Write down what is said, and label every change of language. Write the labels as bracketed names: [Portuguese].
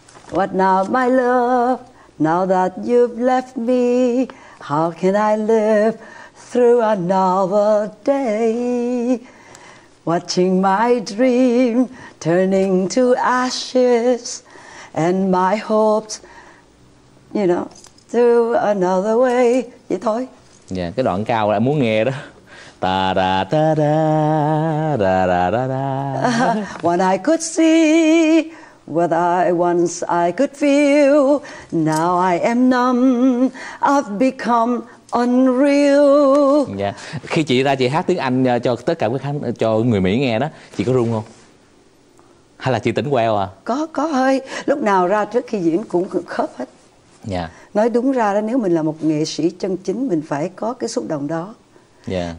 [English] What Now My Love, Now That You've Left Me, How Can I Live Through Another Day, Watching My Dream Turning To Ashes And My Hopes, You Know, Through Another Way. [Vietnamese] Vậy thôi. Dạ, cái đoạn cao là muốn nghe đó. Ta da ta da da da da da. [English] When I could see what I once I could feel, now I am numb, I've become unreal. [Vietnamese] Dạ. Khi chị ra chị hát tiếng Anh cho tất cả quý khán cho người Mỹ nghe đó, chị có run không? Hay là chị tỉnh queo à? Có hơi, lúc nào ra trước khi diễn cũng khớp hết. Dạ. Nói đúng ra đó, nếu mình là một nghệ sĩ chân chính mình phải có cái xúc động đó. Yeah.